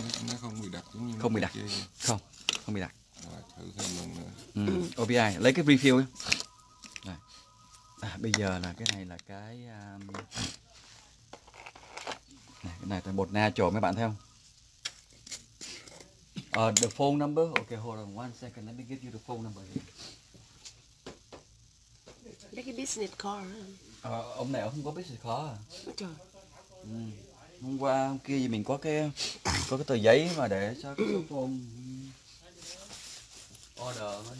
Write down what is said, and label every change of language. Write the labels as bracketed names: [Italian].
[Vietnamese] Nó không bị đặc. Không bị đặc. Không bị đặc. Thử thêm lần nữa. OPI lấy cái refill đi. Bây giờ là cái này là cái này, cái này là bột natural mấy bạn thấy không? [English] The phone number. Ok, hold on one second, let me give you the phone number here. Like a business card. [Vietnamese] Ông này ông không có business card. Trời. Hôm qua hôm kia thì mình có cái tờ giấy mà để cho cái số phone order.